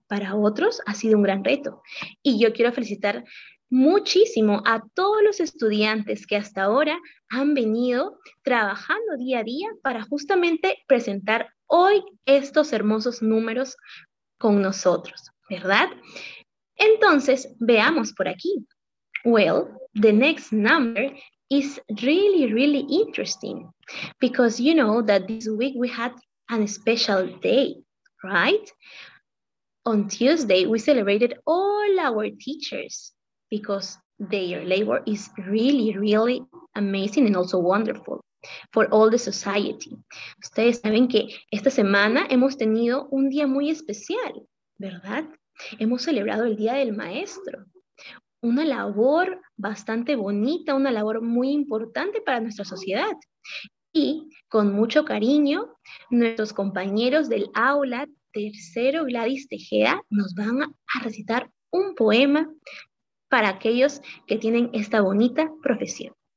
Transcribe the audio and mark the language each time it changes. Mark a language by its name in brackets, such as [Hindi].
[Spanish] Para otros, ha sido un gran reto. Y yo quiero felicitar muchísimo a todos los estudiantes que hasta ahora han venido trabajando día a día para justamente presentar hoy estos hermosos números con nosotros, ¿verdad? Entonces, veamos por aquí. [English] Well, the next number is really, really interesting because you know that this week we had a special day, right? On Tuesday, we celebrated all our teachers because their labor is really, really amazing and also wonderful for all the society. [Spanish] Ustedes saben que esta semana hemos tenido un día muy especial, ¿verdad? Hemos celebrado el Día del Maestro. Una labor bastante bonita, una labor muy importante para nuestra sociedad. Y con mucho cariño, nuestros compañeros del aula tercero Gladys Tejeda nos van a recitar un poema para aquellos que tienen esta bonita profesión.